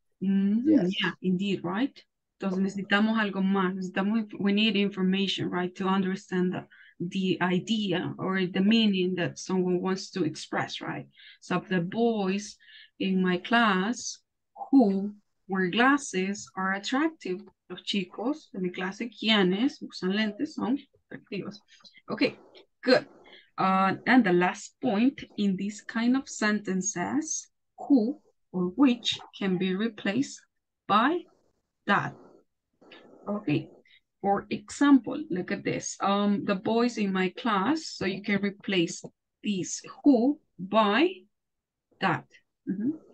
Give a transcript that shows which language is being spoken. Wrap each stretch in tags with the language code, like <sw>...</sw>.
<en>Mm-hmm. Yes. Yeah, indeed, right?</en> <es>Entonces necesitamos algo más. Necesitamos,</es> <en>we need information, right? To understand the idea or the meaning that someone wants to express, right? So the boys in my class who wear glasses are attractive.</en> <es>Los chicos en mi clase, quienes usan lentes, son atractivos.</es> <en>Okay, good. And the last point in this kind of sentences, who or which can be replaced by that. Okay, for example, look at this. The boys in my class, so you can replace this who by that. Mm-hmm.</en>